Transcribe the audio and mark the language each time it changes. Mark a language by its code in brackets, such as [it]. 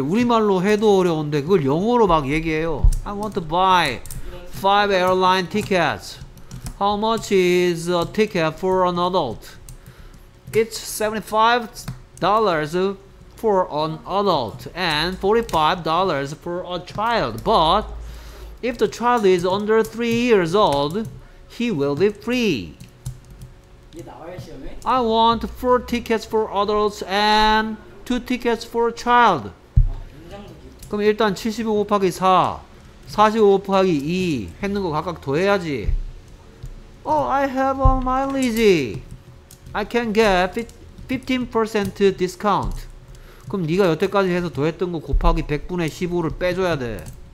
[ko] 우리말로 해도 어려운데 그걸 영어로 막 얘기해요. [en] I want to buy 5 airline tickets. How much is a ticket for an adult? It's $75 for an adult and $45 for a child. But if the child is under 3 years old, he will be free. I want 4 tickets for adults and 2 tickets for a child. [ko] 그럼 일단 75 곱하기 4, 45 곱하기 2 했는 거 각각 더해야지. [en] I have a mileage. I can get 15% discount. [ko] 그럼 네가 여태까지 해서 더했던 거 곱하기 100분의 15를 빼줘야 돼.